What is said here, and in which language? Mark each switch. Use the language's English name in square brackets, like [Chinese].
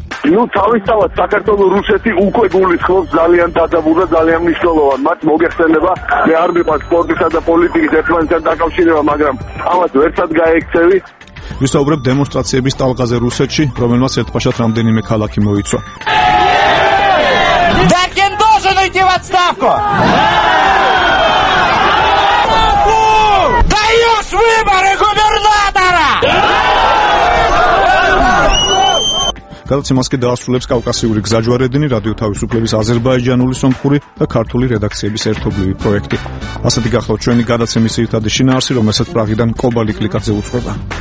[Georgian] ნუ თავისთავად საქართველოს რუსეთი უკვე გულის ხმობს, ძალიან დაძაბულა, ძალიან მნიშვნელოვანი. მათ მოგეხსენება, მე არ მიყვარს სპორტისა და პოლიტიკის ერთმანეთთან დაკავშირება, მაგრამ თავად ვერცად გაექცევი. ვისაუბრებ დემონსტრაციების ტალღაზე რუსეთში, რომელმაც ერთპაშად რამდენიმე ქალაქი მოიცვა. [Russian] Дакен должен уйти в отставку! Даешь выборы губернатора! [Georgian] გადაცემას კი დაასრულებს კავკასიური გზაჯვარედინი, რადიო თავისუფლების აზერბაიჯანული სომხური და ქართული რედაქციების ერთობლივი პროექტი. ასეთი გახლავთ ჩვენი გადაცემის ძირითადი შინაარსი, რომელსაც პრაღიდან კობალი კლიკაძე უძღვება.